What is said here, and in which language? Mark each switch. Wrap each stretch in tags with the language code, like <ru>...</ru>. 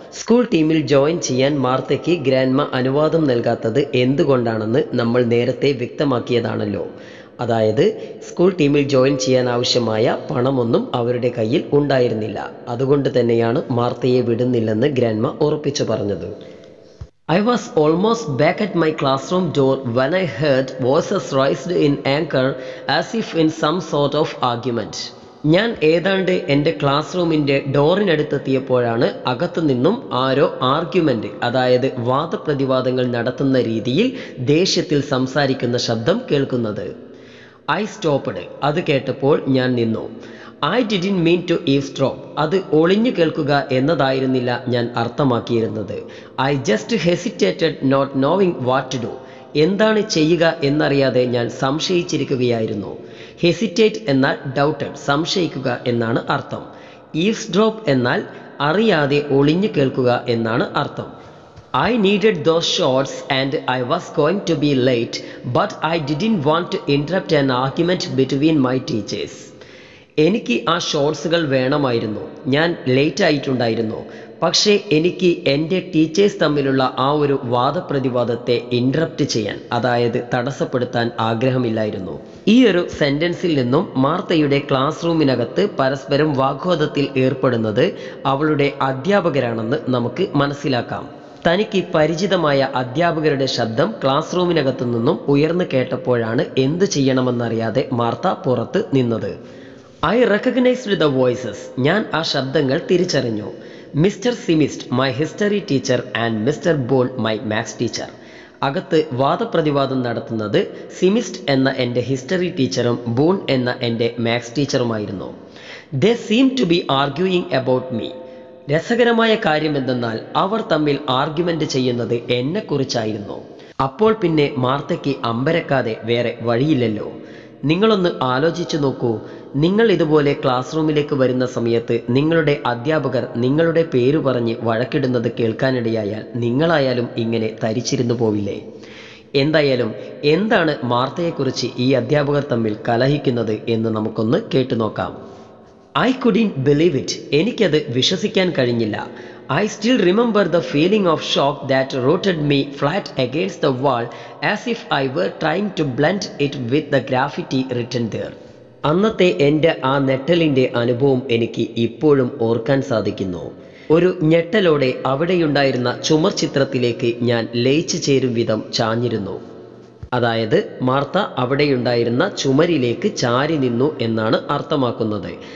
<ml>School ടീമിൽ join ചെയ്യാൻ മാർത്തയ്ക്ക് grandma അനുവാദം നൽകാത്തത് എന്തുകൊണ്ടാണെന്ന് നമ്മൾ നേരത്തെ വ്യക്തമാക്കിയതാണല്ലോ. അതായത്, സ്കൂൾ ടീമിൽ ജോയിൻ ചെയ്യാൻ ആവശ്യമായ പണമൊന്നും അവരുടെ കയ്യിൽ ഉണ്ടായിരുന്നില്ല. അതുകൊണ്ട് തന്നെയാണ് മാർത്തയെ വിടുന്നില്ലെന്ന് ഗ്രാൻഡ്മ ഉറപ്പിച്ചു പറഞ്ഞത്.</ml> <en>I was almost back at my classroom door when I heard voices raised in anger as if in some sort of argument.</en> <ml>ഞാൻ ഏതാണ്ട് എൻ്റെ ക്ലാസ് റൂമിൻ്റെ ഡോറിനടുത്തെത്തിയപ്പോഴാണ് അകത്തു നിന്നും ആരോ ആർഗ്യുമെൻ്റ്, അതായത് വാദപ്രതിവാദങ്ങൾ നടത്തുന്ന രീതിയിൽ ദേഷ്യത്തിൽ സംസാരിക്കുന്ന ശബ്ദം കേൾക്കുന്നത്.</ml> <en>I stopped,</en> <ml>അത് കേട്ടപ്പോൾ ഞാൻ നിന്നു.</ml> <en>I didn't mean to eavesdrop,</en> <ml>അത് ഒളിഞ്ഞു കേൾക്കുക എന്നതായിരുന്നില്ല ഞാൻ അർത്ഥമാക്കിയിരുന്നത്.</ml> <en>I just hesitated not knowing what to do,</en> <ml>എന്താണ് ചെയ്യുക എന്നറിയാതെ ഞാൻ സംശയിച്ചിരിക്കുകയായിരുന്നു. ഹെസിറ്റേറ്റ് എന്നാൽ ഡൗട്ടഡ്, സംശയിക്കുക എന്നാണ് അർത്ഥം. ഈവ്സ്ഡ്രോപ്പ് എന്നാൽ അറിയാതെ ഒളിഞ്ഞു കേൾക്കുക എന്നാണ് അർത്ഥം.</ml> <en>I needed those shorts and I was going to be late, but I didn't want to interrupt an argument between my teachers.</en> <ml>എനിക്ക് ആ ഷോർട്സുകൾ വേണമായിരുന്നു, ഞാൻ ലേറ്റ് ആയിട്ടുണ്ടായിരുന്നു. പക്ഷേ എനിക്ക് എൻ്റെ ടീച്ചേഴ്സ് തമ്മിലുള്ള ആ ഒരു വാദപ്രതിവാദത്തെ ഇൻറ്ററപ്റ്റ് ചെയ്യാൻ, അതായത് തടസ്സപ്പെടുത്താൻ ആഗ്രഹമില്ലായിരുന്നു. ഈ ഒരു സെൻറ്റൻസിൽ നിന്നും മാർത്തയുടെ ക്ലാസ് റൂമിനകത്ത് പരസ്പരം വാഗ്വാദത്തിൽ ഏർപ്പെടുന്നത് അവളുടെ അധ്യാപകരാണെന്ന് നമുക്ക് മനസ്സിലാക്കാം. തനിക്ക് പരിചിതമായ അധ്യാപകരുടെ ശബ്ദം ക്ലാസ് റൂമിനകത്തു നിന്നും ഉയർന്നു കേട്ടപ്പോഴാണ് എന്തു ചെയ്യണമെന്നറിയാതെ മാർത്ത പുറത്ത് നിന്നത്.</ml> <en>I recognized the voices.</en> <ml>ഞാൻ ആ ശബ്ദങ്ങൾ തിരിച്ചറിഞ്ഞു.</ml> <en>mister Simist my history teacher and mister Ball my maths teacher,</en> <ml>അകത്ത് വാദപ്രതിവാദം നടത്തുന്നത് സിമിസ്റ്റ് എന്ന എൻ്റെ ഹിസ്റ്ററി ടീച്ചറും ബോൺ എന്ന എൻ്റെ maths ടീച്ചറുമായിരുന്നു.</ml> <en>They seem to be arguing about me.</en> <ml>രസകരമായ കാര്യം എന്തെന്നാൽ അവർ തമ്മിൽ ആർഗ്യുമെൻ്റ് ചെയ്യുന്നത് എന്നെക്കുറിച്ചായിരുന്നു. അപ്പോൾ പിന്നെ മാർത്തയ്ക്ക് അമ്പരക്കാതെ വേറെ വഴിയില്ലല്ലോ. നിങ്ങളൊന്ന് ആലോചിച്ചു നോക്കൂ, നിങ്ങൾ ഇതുപോലെ ക്ലാസ് റൂമിലേക്ക് വരുന്ന സമയത്ത് നിങ്ങളുടെ അധ്യാപകർ നിങ്ങളുടെ പേര് പറഞ്ഞ് വഴക്കിടുന്നത് കേൾക്കാനിടയായാൽ നിങ്ങളായാലും ഇങ്ങനെ തരിച്ചിരുന്നു പോവില്ലേ? എന്തായാലും എന്താണ് മാർത്തയെക്കുറിച്ച് ഈ അധ്യാപകർ തമ്മിൽ കലഹിക്കുന്നത് എന്ന് നമുക്കൊന്ന് കേട്ടുനോക്കാം.</ml> <en>I couldn't believe it.</en> <ml>എനിക്കത് വിശ്വസിക്കാൻ കഴിഞ്ഞില്ല.</ml> <en>I still remember the feeling of shock that rooted me flat against the wall as if I were trying to blend it with the graffiti written there.</en> <ml>അന്നത്തെ എൻ്റെ ആ ഞെട്ടലിൻ്റെ അനുഭവം എനിക്ക് ഇപ്പോഴും ഓർക്കാൻ സാധിക്കുന്നു. ഒരു ഞെട്ടലോടെ അവിടെയുണ്ടായിരുന്ന ചുമർ ചിത്രത്തിലേക്ക് ഞാൻ ലയിച്ചു ചേരും വിധം ചാഞ്ഞിരുന്നു. അതായത്, മാർത്ത അവിടെയുണ്ടായിരുന്ന ചുമരിലേക്ക് ചാരി നിന്നു എന്നാണ് അർത്ഥമാക്കുന്നത്.</ml>